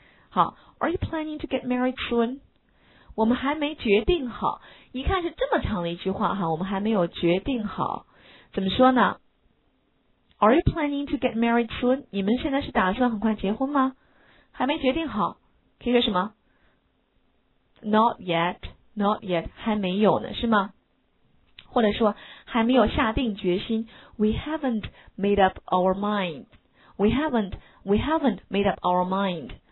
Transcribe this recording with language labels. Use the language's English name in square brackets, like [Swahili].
[English] 好 ，Are you planning to get married soon? [Chinese] 我们还没决定好。一看是这么长的一句话哈，我们还没有决定好。怎么说呢 [English] ？Are you planning to get married soon? [Chinese] 你们现在是打算很快结婚吗？还没决定好，可以说什么 ？ [English] Not yet, not yet， [Chinese] 还没有呢，是吗？或者说还没有下定决心 ， [English] We haven't made up our mind. We haven't made up our mind.